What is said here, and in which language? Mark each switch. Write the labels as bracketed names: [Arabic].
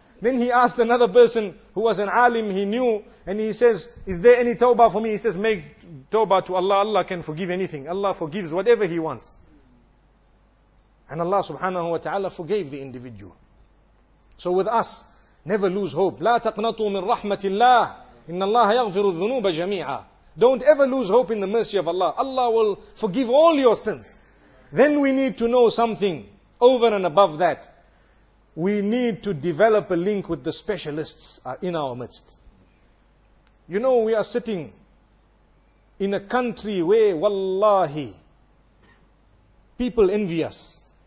[English] Then he asked another person who was an alim, he knew, and he says, is there any tawbah for me? He says, make tawbah to Allah. Allah can forgive anything. Allah forgives whatever he wants. And Allah subhanahu wa ta'ala forgave the individual. So with us, never lose hope. [Arabic] لا تقنطوا من رحمة الله إن الله يغفر الذنوب جميعا. [English] Don't ever lose hope in the mercy of Allah. Allah will forgive all your sins. Then we need to know something over and above that. We need to develop a link with the specialists in our midst. You know, we are sitting in a country where, wallahi, people envy us.